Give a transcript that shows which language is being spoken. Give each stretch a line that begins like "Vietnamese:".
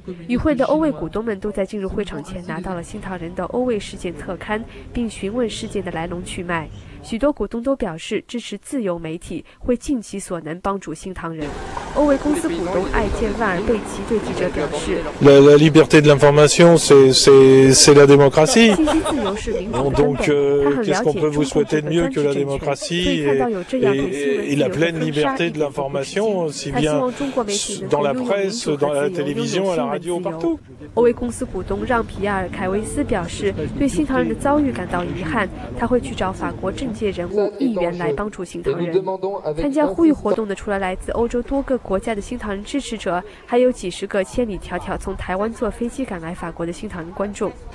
Chinese: 与会的欧卫股东们都在进入会场前拿到了新唐人的欧卫事件特刊，并询问事件的来龙去脉。许多股东都表示支持自由媒体，会尽其所能帮助新唐人。欧卫公司股东艾健万尔贝奇对记者表示
French: la liberté de l'information c'est la démocratie
Chinese: 信息自由是民主的根本。
French: qu'est-ce qu'on peut vous souhaiter de mieux que la pleine liberté de l'information si bien dans la presse dans la télévision à la radio partout。
Chinese: 欧卫公司股东让皮埃尔凯维斯表示对新唐人的遭遇感到遗憾，他会去找法国政政界人物、议员来帮助新唐人。参加呼吁活动的除了来自欧洲多个国家的新唐人支持者，还有几十个千里迢迢从台湾坐飞机赶来法国的新唐人观众。